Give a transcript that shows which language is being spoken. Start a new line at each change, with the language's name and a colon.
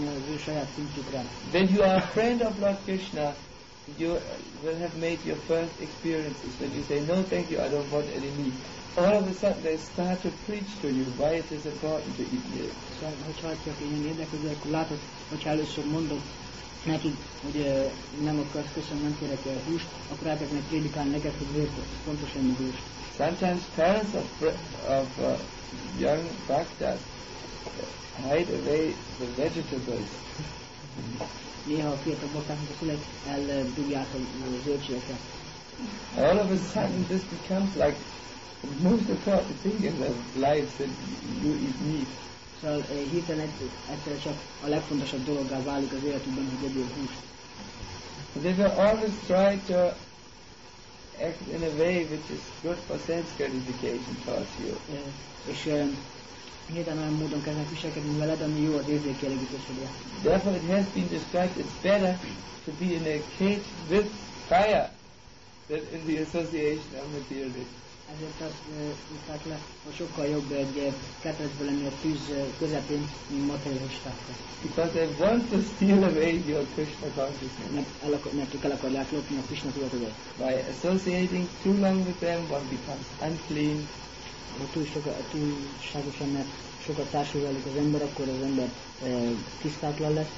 English: When you are a friend of Lord Krishna, you will have made your first experiences. When you say, "No, thank you, I don't want any meat," all of a sudden they start to preach to you why it is important to eat meat.
Hungarian: Neki, hogy nem akarsz köszönni, nem kérek el húst, akkor átok meg prédikálni neked, hogy miért fontos ennyi húst.
English: Sometimes parents of young bhaktas hide away the vegetables.
Hungarian: Néha a fiatal bhaktáknak a szülek eldugják a zöldségeket.
English: All of a sudden this becomes like the most important thing in their lives that you eat meat.
Hungarian: Szóval hirtelen egyszerre csak a legfontosabb dologgá válik az életükben, hogy egyél húst.
English: They will always try to act in a way which is good for sense gratification towards you.
Hungarian: És hirtelen olyan módon kezdenek viselkedni veled, ami jó az érzékelégítésedre.
English: Therefore it has been described it's better to be in a cage with fire than in the association of materialists.
Hungarian: ezért azt mondták le, hogy sokkal jobb egy ketrecbe lenni a tűz közepén, mint materialistákkal.
English: Because they want to steal away your Krishna consciousness.
Hungarian: Mert ők el akarják lopni a Krishna tudatodat.
English: By associating too long with them, one becomes unclean.
Hungarian: Ha túlságosan, mert sokat társul velük az ember, akkor az ember tisztátlan lesz.